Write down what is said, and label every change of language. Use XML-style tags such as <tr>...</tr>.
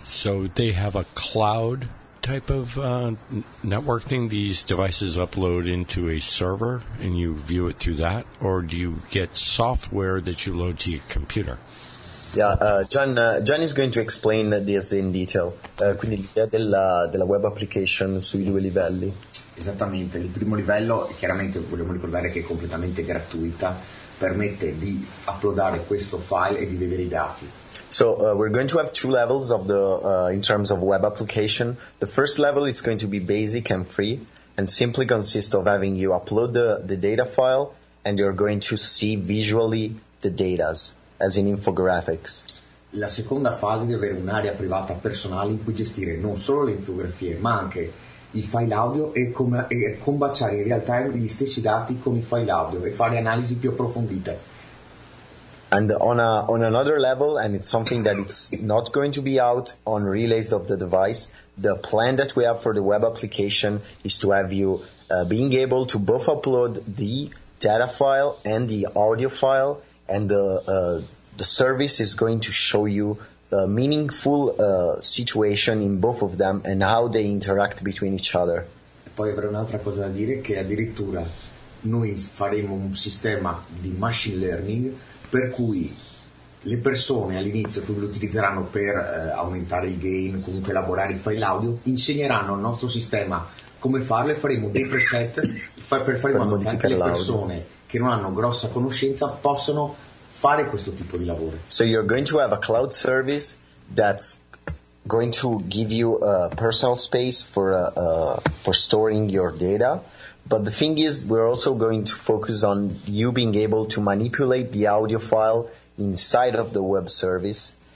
<en>So they have a cloud type of network thing? These devices upload into a server and you view it through that? Or do you get software that you load to your computer? Yeah, John is going to explain this in detail.</en> <it>Quindi l'idea della web application sui due livelli. Esattamente. Il primo livello, chiaramente vogliamo ricordare che è completamente gratuita, permette di uploadare questo file e di vedere i dati.</it> <en>So we're going to have two levels of the in terms of web application. The first level is going to be basic and free, and simply consists of having you upload the data file, and you're going to see visually the data as in infographics.</en> <it>La seconda fase deve avere un'area privata personale in cui gestire non solo le infografie, ma anche I file audio e combaciare in real time gli stessi dati con I file audio e fare analisi più approfondite.</it> <en>And on another level, and it's something that it's not going to be out on relays of the device, the plan that we have for the web application is to have you being able to both upload the data file and the audio file, and the service is going to show you a meaningful situation in both of them and how they interact between each other.</en> <it>Poi avrei un'altra cosa da dire, che addirittura noi faremo un sistema di machine learning per cui le persone all'inizio, che lo utilizzeranno per aumentare il gain, comunque elaborare I file audio, insegneranno al nostro sistema come farlo, e faremo dei preset per fare in modo che anche le persone che non hanno grossa conoscenza possano fare questo tipo di lavoro.</it> <en>So you're going to have a cloud service that's going to give you a personal space for storing your data. But the thing is, we're also going to focus on you being able to manipulate the audio file inside of the web service.</en>